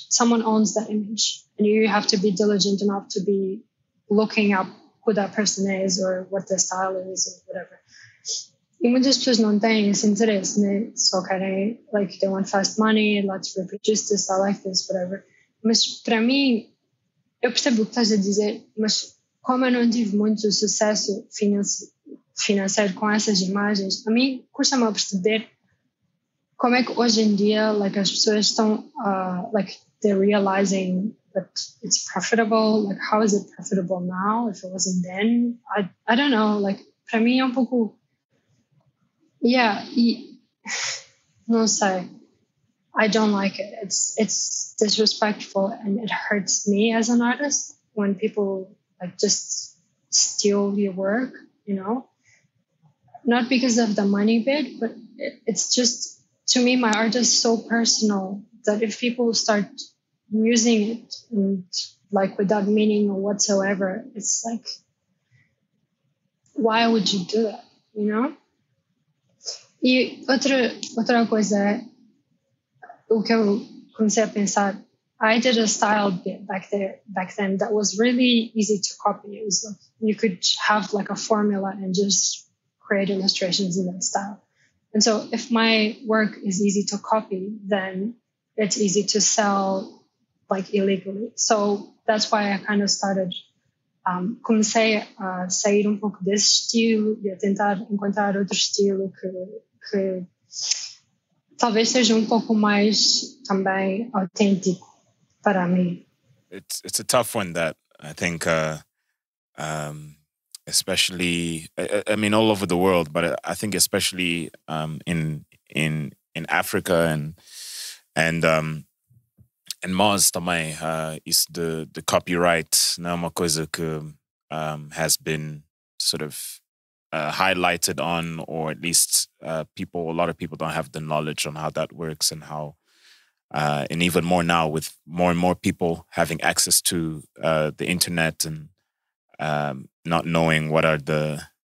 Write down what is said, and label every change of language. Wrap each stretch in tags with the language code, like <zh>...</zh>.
<en>Someone owns that image, and you have to be diligent enough to be looking up who that person is or what their style is or whatever.</en> <pt>E muitas pessoas não têm esse interesse, né? Só querem,</pt> <en>like, they want fast money, let's reproduce this, I like this, whatever.</en> <pt>Mas para mim, eu percebo o que estás a dizer, mas como eu não tive muito sucesso financeiro com essas imagens, a mim custa-me a perceber como é que hoje em dia, like, as pessoas estão, like,</pt> <en>they're realizing but it's profitable. Like, how is it profitable now if it wasn't then? I don't know.</en> <pt>Like, para mim é um pouco... não sei.</pt> <en>I don't like it. It's disrespectful, and it hurts me as an artist when people, like, just steal your work, you know? Not because of the money bit, but it's just, to me, my art is so personal that if people start using it and, like, without meaning or whatsoever, it's like, why would you do that, you know?</en> <pt>E outra coisa é o que eu comecei a pensar.</pt> <en>I did a style bit back then that was really easy to copy. It was like, you could have, like, a formula and just create illustrations in that style. And so if my work is easy to copy, then it's easy to sell, like, illegally. So that's why I kind of started</en> <pt>comecei a sair um pouco desse estilo e a tentar encontrar outro estilo que talvez seja um pouco mais também autêntico para mim.</pt> <en>It's a tough one that I think, especially, I mean, all over the world, but I think especially in Africa and Mars também is the copyright now</en> <pt>uma coisa que</pt> <en>has been sort of highlighted on, or at least a lot of people don't have the knowledge on how that works and how and even more now with more and more people having access to the internet and not knowing what are the</en>